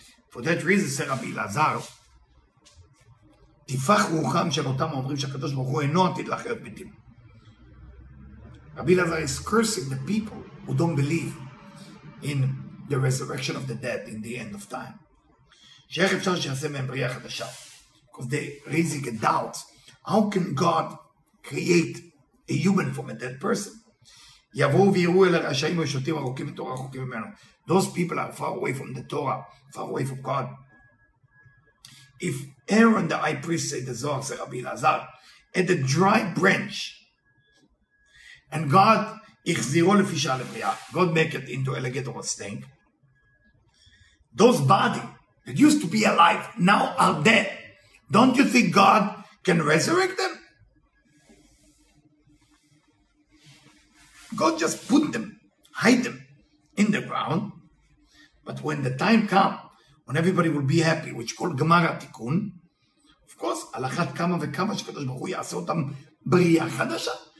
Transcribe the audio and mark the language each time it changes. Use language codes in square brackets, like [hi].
[en] For that reason, Sir Rabbi Lazar, [he] תפח רוחם של אותם אומרים שהקדוש ברוך הוא אינו עתיד לחיות מתים. [en] Rabbi Lazar is cursing the people who don't believe in the resurrection of the dead, in the end of time. [he] שאיך אפשר שיעשה מהם בריאה חדשה? [en] Because they're raising a doubt. How can God create a human from a dead person? [he] יבואו ויראו אל הרשעים ושוטים ארוכים מתורה רחוקים ממנו. [en] Those people are far away from the Torah, far away from God. If Aaron the high priest said the Zohar, said Rabbi Lazar, at a dry branch, and God [he] יחזירו לפי שעה לבריאה. [en] God make it into alligator or snake. Those body that used to be alive now are dead. Don't you think God can resurrect them? God just put them, hide them in the ground. But when the time come, when everybody will be happy, which is called Gemar HaTikun, of course, [he] על אחת כמה וכמה שקדוש ברוך הוא יעשה אותם בריאה חדשה.